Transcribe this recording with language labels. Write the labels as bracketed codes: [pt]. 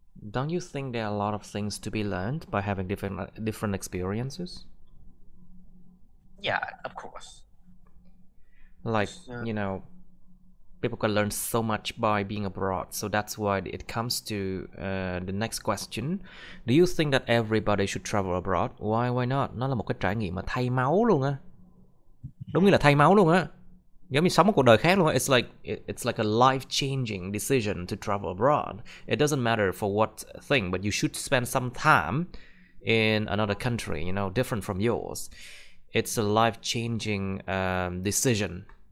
[en] Don't you think there are a lot of things to be learned by having different experiences? Yeah, of course. Like, you know, people can learn so much by being abroad. So that's why it comes to the next question. Do you think that everybody should travel abroad? Why not? [vi] Nó là một cái trải nghiệm mà thay máu luôn á. Đúng như là thay máu luôn á. Giống như sống một cuộc đời khác luôn á. [en] It's like a life-changing decision to travel abroad. It doesn't matter for what thing, but you should spend some time in another country, you know, different from yours. It's a life-changing decision.